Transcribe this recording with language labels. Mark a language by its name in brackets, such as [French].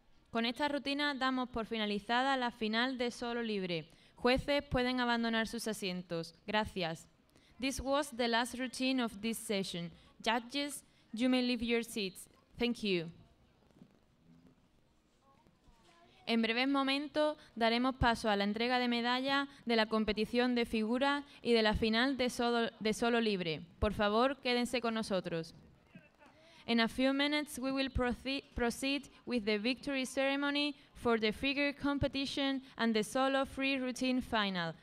[Spanish] Con esta rutina damos por finalizada la final de Solo Libre. Jueces pueden abandonar sus asientos. Gracias. [English] This was the last routine of this session. Judges, you may leave your seats. Thank you. [Spanish] En breves momentos daremos paso a la entrega de medallas de la competición de figuras y de la final de Solo Libre. Por favor, quédense con nosotros. [English] In a few minutes, we will proceed with the victory ceremony for the figure competition and the solo free routine final.